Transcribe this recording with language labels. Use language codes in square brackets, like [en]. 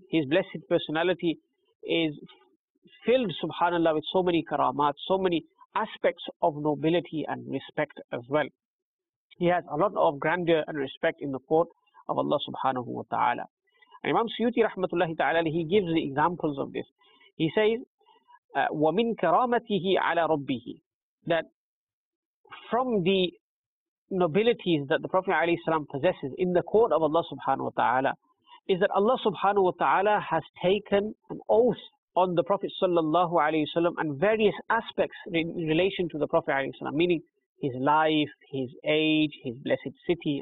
[en] His blessed personality is filled, subhanallah, with so many karamat, so many aspects of nobility and respect as well. He has a lot of grandeur and respect in the court of Allah subhanahu wa ta'ala. And Imam Suyuti rahmatullahi ta'ala, he gives the examples of this. He says, [ar] وَمِنْ كَرَامَتِهِ عَلَى رَبِّهِ. [en] That from the nobilities that the Prophet alayhi salam possesses in the court of Allah subhanahu wa ta'ala is that Allah subhanahu wa ta'ala has taken an oath on the Prophet sallallahu alayhi wasallam and various aspects in relation to the Prophet alayhi salam, meaning his life, his age, his blessed city.